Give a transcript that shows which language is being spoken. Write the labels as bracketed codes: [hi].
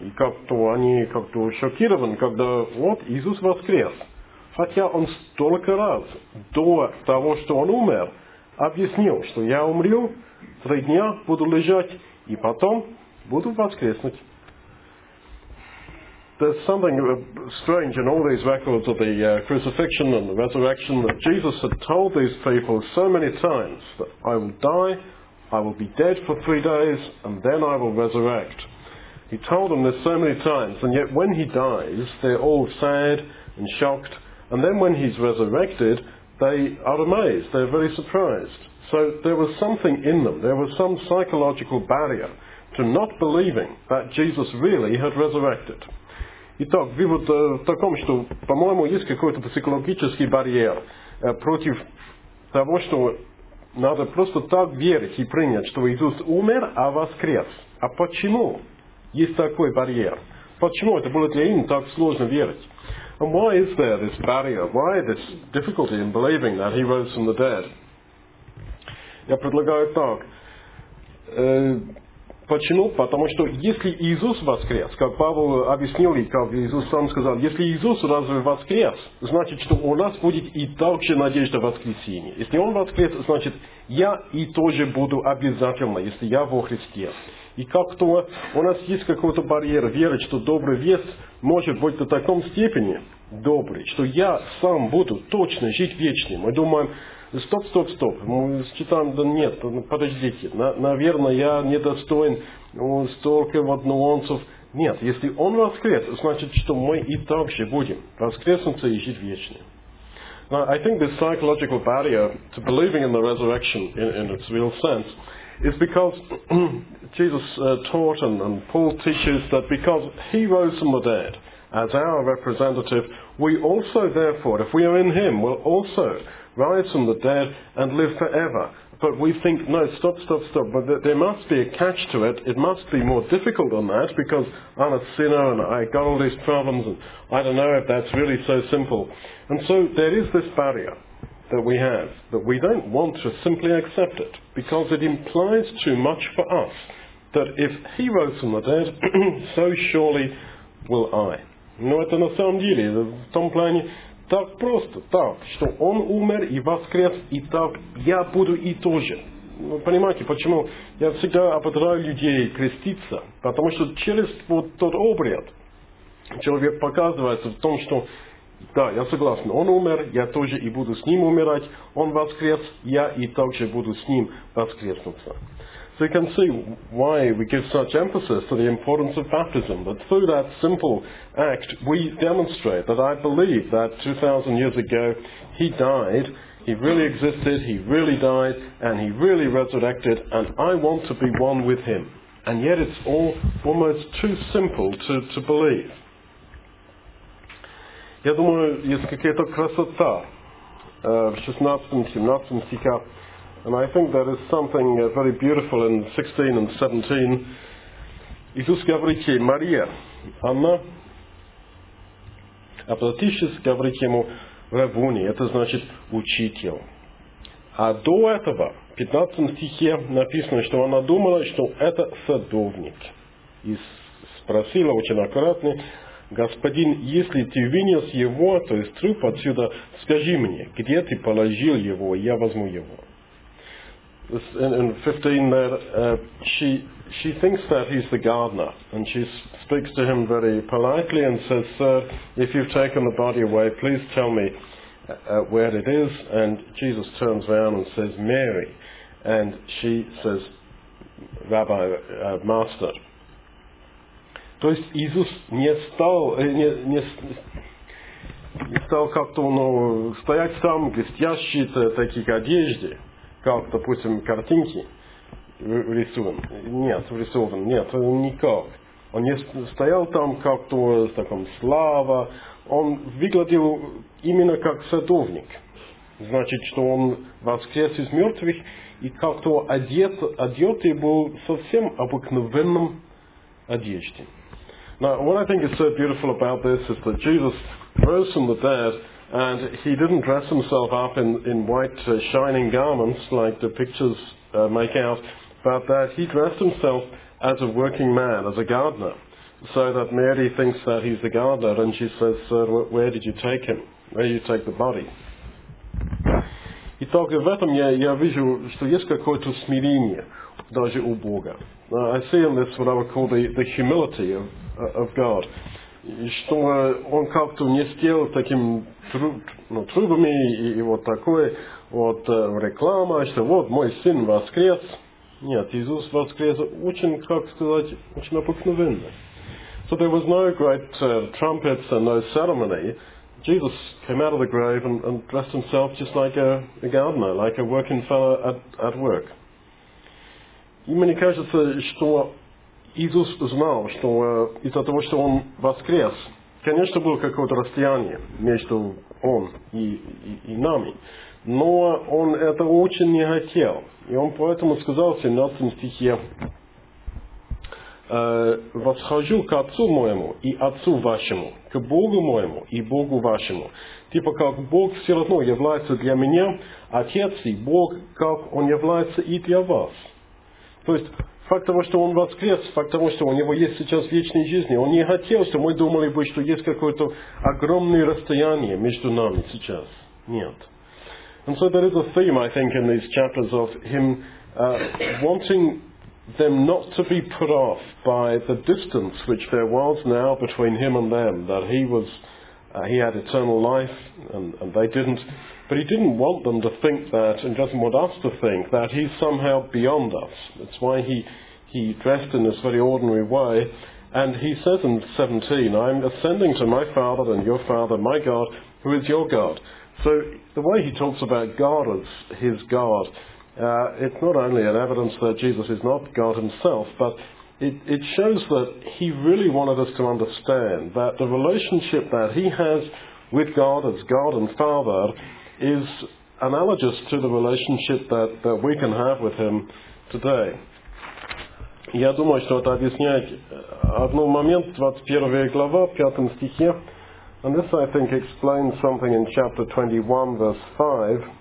[ru] И как-то они как-то шокированы, когда вот Иисус воскрес. Хотя он столько раз до того, что он умер, объяснил, что я умру, три дня буду лежать, и потом буду воскреснуть. [en] There's something strange in all these records of the crucifixion and the resurrection that Jesus had told these people so many times that I will die, I will be dead for 3 days, and then I will resurrect. He told them this so many times, and yet when he dies, they're all sad and shocked, and then when he's resurrected, they are amazed, they're very surprised. So there was something in them, there was some psychological barrier to not believing that Jesus really had resurrected. [ru] Итак, вывод в таком, что, по-моему, есть какой-то психологический барьер против того, что надо просто так верить и принять, что Иисус умер, а воскрес. А почему есть такой барьер? Почему это было для них так сложно верить? [en] And why is there this barrier? Why this difficulty in believing that he rose from the dead? [ru] Я предлагаю так. Почему? Потому что если Иисус воскрес, как Павел объяснил, и как Иисус сам сказал, если Иисус разве воскрес, значит, что у нас будет и также надежда воскресения. Если он воскрес, значит, я и тоже буду обязательно, если я во Христе. И как-то у нас есть какой-то барьер веры, что добрый вес может быть до таком степени добрый, что я сам буду точно жить вечно. Мы думаем, стоп. Мы считаем, да нет, подождите, наверное, я недостоин столько вот нюансов. Нет, если он воскрес, значит, что мы и так же будем воскреснуться и жить вечно. [en] Now, I think this psychological barrier to believing in the resurrection in its real sense is because Jesus taught and Paul teaches that because he rose from the dead as our representative, we also therefore, if we are in him, will also rise from the dead and live forever. But we think, no, stop. But there must be a catch to it. It must be more difficult than that because I'm a sinner and I got all these problems and I don't know if that's really so simple. And so there is this barrier that we have, that we don't want to simply accept it because it implies too much for us that if he rose from the dead, so surely will I. [ru] Но это на самом деле, в том плане, так просто, так, что он умер и воскрес, и так я буду и тоже. Вы понимаете, почему я всегда ободряю людей креститься? Потому что через вот тот обряд человек показывается в том, что да, я согласен, он умер, я тоже и буду с ним умирать, он воскрес, я и также буду с ним воскреснуться. [en] So you can see why we give such emphasis to the importance of baptism, that through that simple act we demonstrate that I believe that 2,000 years ago he died, he really existed, he really died, and he really resurrected, and I want to be one with him. And yet it's all almost too simple to believe. [ru] Я думаю, есть какая-то красота в 16-17 стихах. [en] And I think there is something very beautiful in 16 and 17. [ru] Иисус говорит ей, Мария, она, обратившись, говорит ему, Равуни, это значит учитель. А до этого, в 15 стихе написано, что она думала, что это садовник. И спросила очень аккуратно, Господин, если ты вынес его, то есть труп отсюда, скажи мне, где ты положил его, я возьму его. [en] In 15 there, she thinks that he's the gardener, and she speaks to him very politely and says, Sir, if you've taken the body away, please tell me where it is. And Jesus turns around and says, Mary. And she says, Rabbi, Master. [ru] То есть Иисус не стал как-то стоять там, блестящие такие одежды, как, допустим, картинки рисован, никак. Он не стоял там как-то с таком слава, он выглядел именно как садовник. значит, что он воскрес из мертвых, и как-то одет и был совсем обыкновенным одеждой. [en] Now, what I think is so beautiful about this is that Jesus rose from the dead, and he didn't dress himself up in white shining garments like the pictures make out, but that he dressed himself as a working man, as a gardener, so that Mary thinks that he's the gardener, and she says, "Sir, where did you take him? Where did you take the body?" [ru] Итак, в этом я вижу, что есть какое-то смирение даже у Бога. [en] I see in this what I would call the humility of God, [ru] что он как-то не сделал таким трубами и вот такое вот реклама, что вот мой сын воскрес. Нет, Иисус воскрес очень, как сказать, очень обыкновенно. [en] So there was no great trumpets and no ceremony. Jesus came out of the grave and dressed himself just like a gardener, like a working fellow at work. [ru] И мне кажется, что Иисус знал, что из-за того, что он воскрес, конечно, было какое-то расстояние между он и нами, но он это очень не хотел. И он поэтому сказал в 17 стихе, «Восхожу к Отцу моему и Отцу вашему, к Богу моему и Богу вашему». Типа как Бог все равно является для меня, Отец и Бог, как Он является и для вас. То есть, факт того, что Он воскрес, факт того, что у Него есть сейчас вечная жизнь, Он не хотел, что мы думали бы, что есть какое-то огромное расстояние между нами сейчас. Нет. [en] And so there is a theme, I think, in these chapters of him wanting them not to be put off by the distance which there was now between him and them, that he had eternal life and they didn't. But he didn't want them to think that, and doesn't want us to think, that he's somehow beyond us. That's why he dressed in this very ordinary way. And he says in 17, I'm ascending to my Father and your Father, my God, who is your God. So the way he talks about God as his God, it's not only an evidence that Jesus is not God himself, but it shows that he really wanted us to understand that the relationship that he has with God as God and Father is analogous to the relationship that we can have with him today. [ru] Я думаю, что это объясняет одну момент, 21 глава, 5 стихе. [en] And this, I think, explains something in chapter 21, verse 5.